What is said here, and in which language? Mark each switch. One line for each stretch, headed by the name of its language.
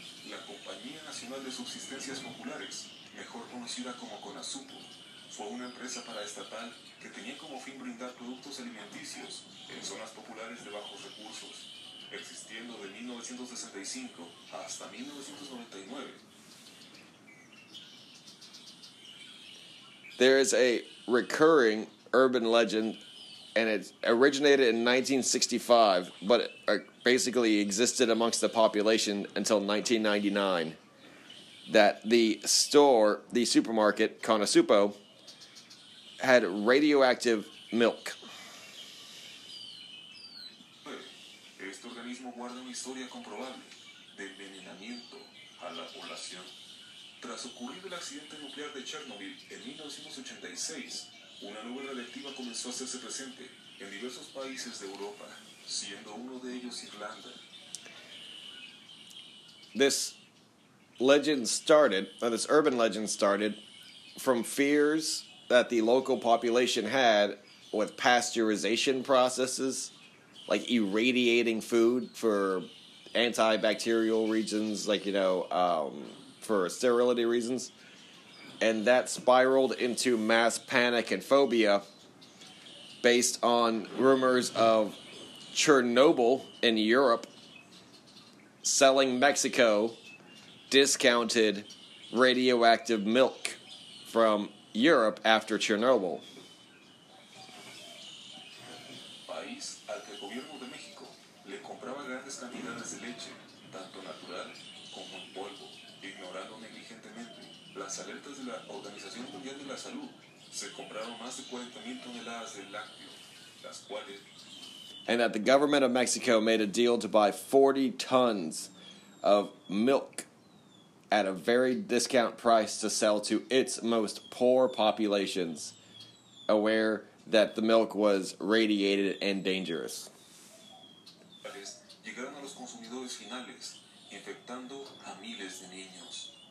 Spanish: La Compañía Nacional de Subsistencias Populares, mejor conocida como Conasupo, fue una empresa paraestatal que tenía como fin brindar productos alimenticios en zonas populares de bajos recursos, existiendo de 1965 hasta 1999.
English: There is a recurring urban legend, and it originated in 1965, but it basically existed amongst the population until 1999, that the store, the supermarket, Conasupo, had radioactive milk.
Spanish: Este organismo guarda una historia comprobable de envenenamiento a la población. Tras ocurrir el accidente nuclear de Chernobyl en 1986, una nube radiactiva comenzó a hacerse presente en diversos países de Europa, siendo uno de ellos Irlanda.
English: This legend started, or this urban legend started, from fears that the local population had with pasteurization processes, like irradiating food for antibacterial reasons, like, you know, for sterility reasons. And that spiraled into mass panic and phobia based on rumors of Chernobyl in Europe selling Mexico discounted radioactive milk from Europe after Chernobyl.
Spanish: País al que el gobierno de México le compraba grandes cantidades de leche, tanto natural como en polvo, ignorando negligentemente las alertas de la Organización Mundial de la Salud. Se compraron más de 40,000 toneladas de lácteo, las cuales...
English: And that the government of Mexico made a deal to buy 40 tons of milk at a very discount price to sell to its most poor populations, aware that the milk was radiated and dangerous.
Spanish: Llegaron a los consumidores finales, infectando a miles de niños.